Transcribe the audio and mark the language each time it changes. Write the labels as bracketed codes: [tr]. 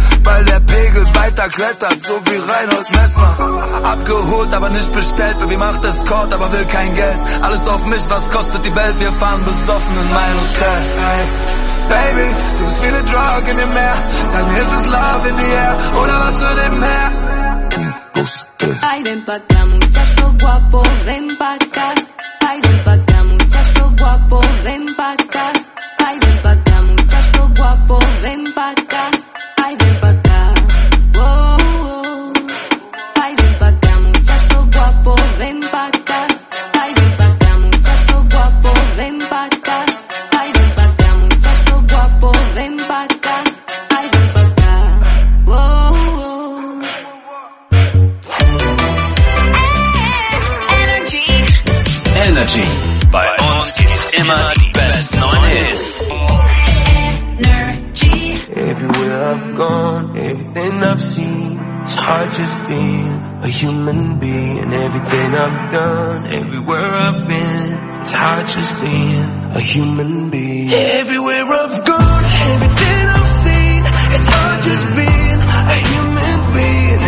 [de] Weil der Pegel weiter klettert, so wie Reinhold Messner. Abgeholt, aber nicht bestellt. Baby macht Escort, aber will kein Geld. Alles auf mich, was kostet die Welt? Wir fahren besoffen in mein Hotel. Hey, Baby, du bist wie eine Drug in dem Meer. Sag mir, ist es [en] Love in the air? [de] Oder was für dem Meer? [es] Ay, ven pa' acá, muchacho guapo, ven pa' acá. Ay, ven pa' acá, muchacho guapo, ven pa' acá. Ay, ven pa' acá, muchacho guapo, ven pa' acá. Ay, ven pa' acá. Oh, ay, ven pa' acá, muchacho guapo, ven pa' acá. Ay, ven pa' acá, muchacho guapo, ven pa' acá. Ay, ven pa' acá, muchacho guapo, ven pa' acá. Ay, ven pa' acá. Oh, [en] energy. [de] immer die besten neuen Hits. [en] Everywhere I've gone, everything I've seen, it's hard just being a human being. Everything I've done, everywhere I've been, it's hard just being a human being. Everywhere I've gone, everything I've seen, it's hard just being a human being.